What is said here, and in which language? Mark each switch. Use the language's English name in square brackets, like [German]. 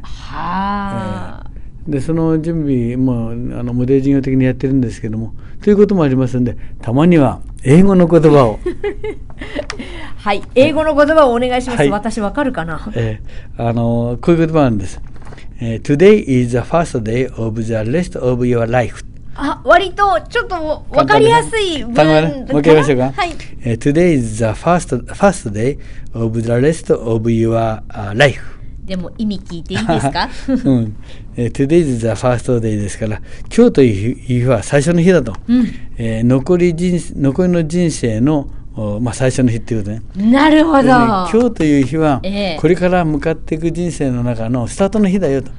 [Japanese] はあ、でその準備も無礼事業的にやってるんですけども、ということもありますので、たまには英語の言葉をはい、英語の言葉をお願いします。はい、私わかるかな。こういう言葉なんです。 [English] Today is the first day of the rest of your life. [Japanese] あ、割とちょっと分かりやすい文かな。もう一回言いましょうか。はい。 [English] Today is the first day of the rest of your life. [Japanese] でも意味聞いていいですか？うん。 [English] Today is the first day [Japanese] ですから、今日という日は最初の日だと。うん。残りの人生の、まあ、最初の日っていうことね。なるほど。今日という日はこれから向かっていく人生の中のスタートの日だよと。